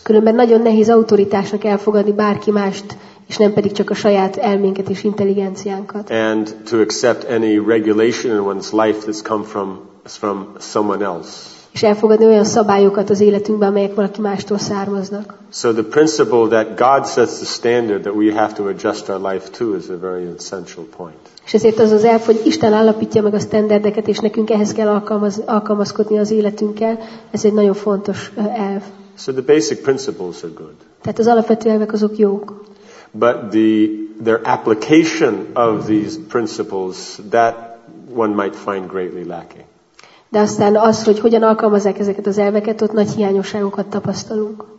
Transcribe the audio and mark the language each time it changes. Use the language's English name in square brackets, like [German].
[Hungarian] Különben nagyon nehéz autoritásnak elfogadni bárki mást, és nem pedig csak a saját elménket és intelligenciánkat. [English] And to accept any regulation in one's life that's come from someone else. [Hungarian] És elfogadni olyan szabályokat az életünkben, amelyek valaki mástól származnak. [English] So the principle that God sets the standard that we have to adjust our life to is a very essential point. [Hungarian] És ezért az az elf, hogy Isten állapítja meg a standardeket, és nekünk ehhez kell alkalmazkodni az életünkkel, ez egy nagyon fontos elf. [English] So the basic principles are good. [Hungarian] Tehát az alapvető elvek azok jók. [English] But their application of these principles, that one might find greatly lacking. [Hungarian] De aztán az, hogy hogyan alkalmazzák ezeket az elveket, ott nagy hiányosságokat tapasztalunk.